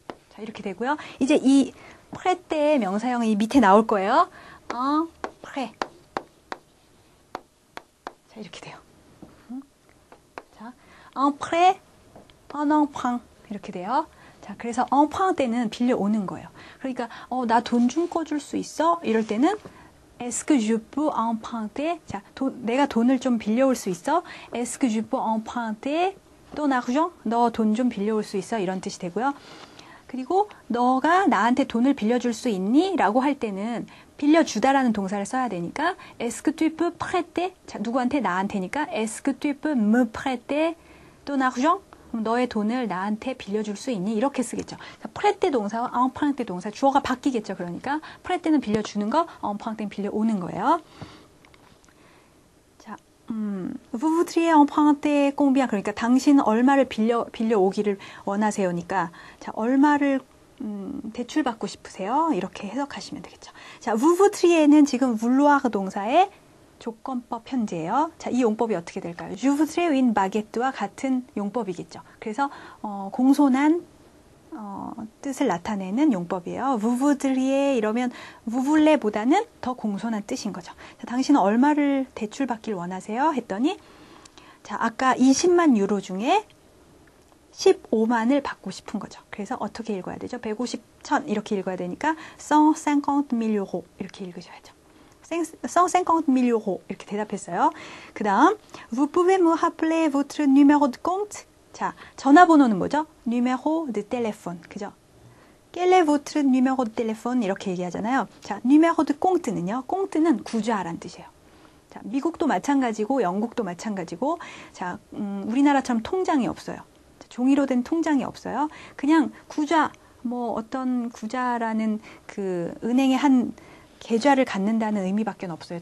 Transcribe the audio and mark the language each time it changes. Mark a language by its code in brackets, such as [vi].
[ko] 자, 이렇게 되고요. 이제 이 프레떼의 명사형이 밑에 나올 거예요. 프레. 자, 이렇게 돼요. 프레, 엉팡. 이렇게 돼요. 자, 그래서 엉팡 때는 빌려 오는 거예요. 그러니까 나돈좀 꿔줄 수 있어? [fr] 이럴 때는 Est-ce que je peux emprunter? [ko] 자, 내가 돈을 좀 빌려올 수 있어? [fr] Est-ce que je peux emprunter ton argent? [ko] 너돈좀 빌려올 수 있어? 이런 뜻이 되고요. 그리고 너가 나한테 돈을 빌려줄 수 있니? 라고 할 때는 빌려주다라는 동사를 써야 되니까 [fr] Est-ce que tu peux prêter? [ko] 자, 누구한테? [fr] 나한테니까 Est-ce que tu peux me prêter ton argent? [ko] 그럼 너의 돈을 나한테 빌려줄 수 있니? 이렇게 쓰겠죠. 프레떼 동사와 엉팡 때 동사 주어가 바뀌겠죠. 그러니까 프레떼는 빌려주는 거, 엉팡 때는 빌려 오는 거예요. [fr] 자, vous voudriez emprunter combien? [ko] 그러니까 당신 얼마를 빌려 오기를 원하세요니까, 자, 얼마를 대출받고 싶으세요? 이렇게 해석하시면 되겠죠. 자, vous voudriez는 지금 vouloir 동사의 조건법 현재예요. 자, 이 용법이 어떻게 될까요? [fr] Je voudrais une baguette와 [ko] 같은 용법이겠죠. 그래서 공손한 뜻을 나타내는 용법이에요. Vous voudriez 이러면 vous voulez보다는 더 공손한 뜻인 거죠. 자, 당신은 얼마를 대출받길 원하세요? 했더니 자, 아까 20만 유로 중에 15만을 받고 싶은 거죠. 그래서 어떻게 읽어야 되죠? 150, 1000 이렇게 읽어야 되니까 150,000 유로 이렇게 읽으셔야죠. 150,000 유로 이렇게 대답했어요. [fr] 그 다음, Vous pouvez me rappeler votre numéro de compte? [ko] 자, 전화번호는 뭐죠? [fr] Numéro de téléphone. [ko] 그죠? [fr] Quel est votre numéro de téléphone? [ko] 이렇게 얘기하잖아요. 자, numéro de compte는요? compte는 구좌란 뜻이에요. 자, 미국도 마찬가지고, 영국도 마찬가지고, 자, 우리나라처럼 통장이 없어요. 자, 종이로 된 통장이 없어요. 그냥 구좌, 뭐 어떤 구좌라는 그 은행의 한 계좌를 갖는다는 의미밖에 없어요.